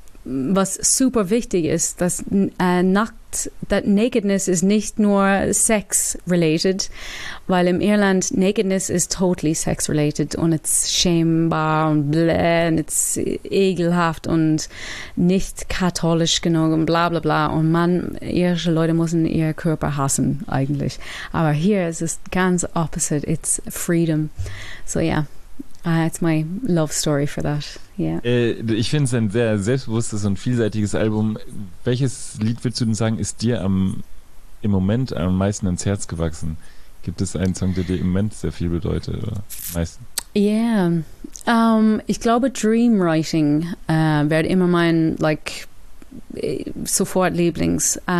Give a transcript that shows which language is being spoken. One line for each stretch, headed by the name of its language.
German: was super wichtig ist, dass
English: that nakedness is
German: nicht nur
English: sex related,
German: weil in Irland
English: nakedness is totally sex related
German: und
English: it's shamebar
German: und bläh und
English: it's ekelhaft
German: und nicht katholisch genug und bla bla bla und man, irische Leute müssen ihr Körper hassen eigentlich, aber hier ist es ganz
English: opposite, it's freedom, so yeah. It's my love story for that. Yeah.
German: Ich finde es ein sehr selbstbewusstes und vielseitiges Album. Welches Lied würdest du denn sagen, ist dir im Moment am meisten ans Herz gewachsen? Gibt es einen Song, der dir im Moment sehr viel bedeutet? Oder meisten? Yeah. Ich glaube, Dream Writing wird immer mein like sofort Lieblings.